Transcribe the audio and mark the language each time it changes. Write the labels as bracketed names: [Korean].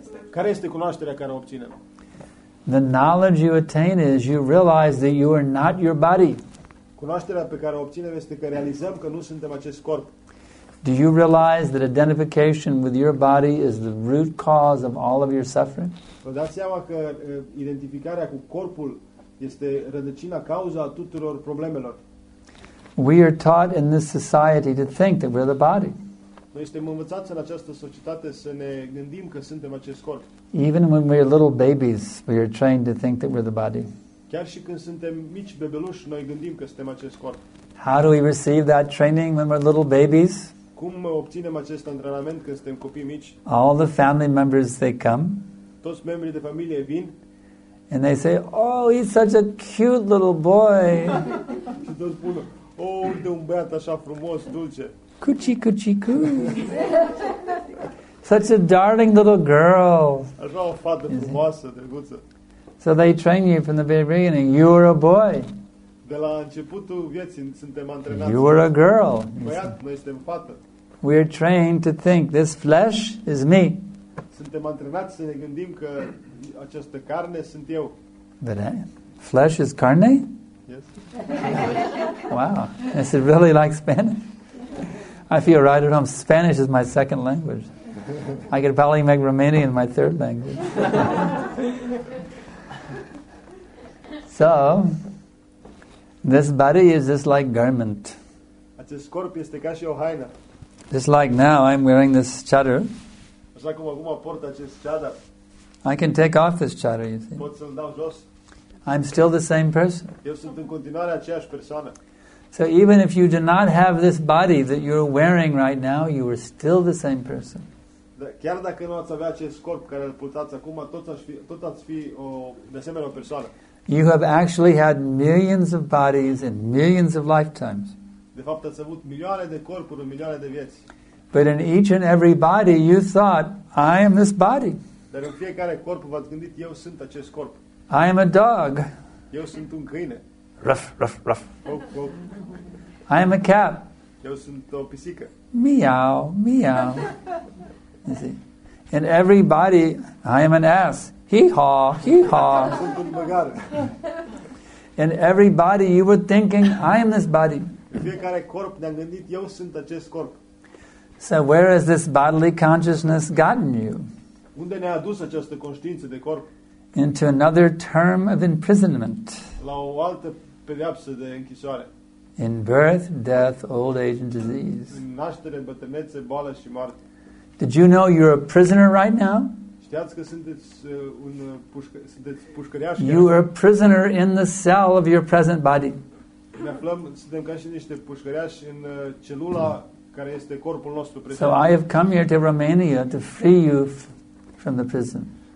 [Romanian] Care este cunoașterea care obținem? [English] The knowledge you attain is you realize that you are not your body. [Romanian] Cunoașterea pe care o obținem este că realizăm că nu suntem acest corp. [English] Do you realize that identification with your body is the root cause of all of your suffering? [Romanian] Vă dați seama că identificarea cu corpul este rădăcina, cauza tuturor problemelor. [English] We are taught in this society to think that we're the body. [Romanian] Noi suntem învățați în această societate să ne gândim că suntem acest corp. [English] Even when we are little babies, we are trained to think that we're the body. [Romanian] Chiar și când suntem mici bebeluși, noi gândim că suntem acest corp. [English] How do we receive that training when we're little babies? [Romanian] Cum obținem acest antrenament când suntem copii mici? [English] All the family members, they come. [Romanian] Toți membrii de familie vin. [English] And they say, oh, he's such a cute little boy. [Romanian] Și toți spun, oh, uite un băiat așa frumos, dulce. [English] Cuci, cuci, cuci. Such a darling little girl. [Romanian] Așa o fată frumoasă, drăguță. [English] So they train you from the very beginning. You are a boy. [Romanian] De la începutul vieții suntem antrenați. [English] You are a girl. [Romanian] Băiat, noi suntem fată. [English] We are trained to think this flesh is me. [Romanian] Suntem antrenați să ne gândim că această carne sunt eu. [English] Flesh is carne? Yes. Wow. Is it really like Spanish? I feel right at home. Spanish is my second language. I could probably make Romanian my third language. So, this body is just like garment. [Romanian] Acest corp este ca și o haină. [English] Just like now, I'm wearing this chador. [Romanian] Așa cum acum port acest chador. [English] I can take off this chador, you see. [Romanian] Pot să-l dau jos. [English] I'm still the same person. [Romanian] Eu sunt în continuare aceeași persoană. [English] So even if you do not have this body that you're wearing right now, you are still the same person. [Romanian] Chiar dacă nu ați avea acest corp care îl purtați acum, tot ați fi o de asemenea persoană. [English] You have actually had millions of bodies and millions of lifetimes. [Romanian] De fapt, ați avut milioane de corpuri în milioane de vieți. [English] But in each and every body, you thought, I am this body. [Romanian] Dar în fiecare corp v-ați gândit, eu sunt acest corp. [English] I am a dog. [Romanian] Eu sunt un câine. Ruff, ruff, ruff. Oh, oh. [English] I am a cat. [Romanian] Eu sunt o pisică. [English] Meow, meow. You see? In every body, I am an ass. Hee-haw, hee-haw. In every body you were thinking, I am this body. [Romanian] Fiecare corp ne-a gândit, eu sunt acest corp. [English] So where has this bodily consciousness gotten you? [Romanian] Unde ne-a adus această conștiință de corp? [English] Into another term of imprisonment. [Romanian] La o altă pedeapsă de închisoare. [English] In birth, death, old age and disease. [Romanian] În naștere, bătrânețe, boală și moarte. [English] Did you know you're a prisoner right now? [Romanian] Că sunteți pușcăriași. [English] You are a prisoner in the cell of your present body. [Romanian] Ne aflăm, suntem ca și niște pușcăriași în celula care este corpul nostru prezent. [English] So I have come here to Romania to free you from the prison.